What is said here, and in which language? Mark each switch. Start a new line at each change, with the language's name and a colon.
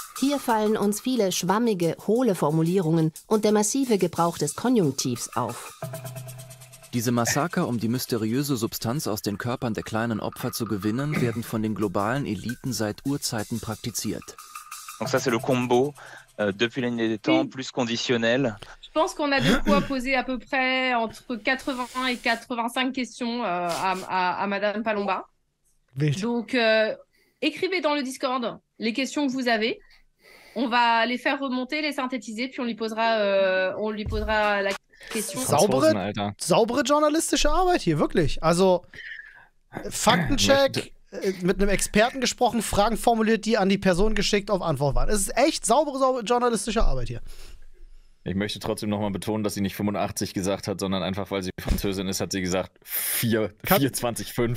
German: Hier fallen uns viele schwammige, hohle Formulierungen und der massive Gebrauch des Konjunktivs auf. Diese Massaker, um die mysteriöse Substanz aus den Körpern der kleinen Opfer zu gewinnen, werden von den globalen Eliten seit Urzeiten praktiziert.
French: Donc ça c'est le combo depuis l'année des temps plus conditionnel. Je pense qu'on a de quoi poser à peu près entre 80 et 85 questions à Madame Palomba. Donc écrivez dans le Discord les questions que vous avez. On va les faire remonter, les synthétiser, puis on lui posera la question.
German: Saubere journalistische Arbeit hier wirklich. Also Faktencheck. Mit einem Experten gesprochen, Fragen formuliert, die an die Person geschickt, auf Antwort waren. Es ist echt saubere journalistische Arbeit hier. Ich möchte trotzdem nochmal betonen, dass sie nicht 85 gesagt hat, sondern einfach, weil sie Französin ist, hat sie gesagt 425.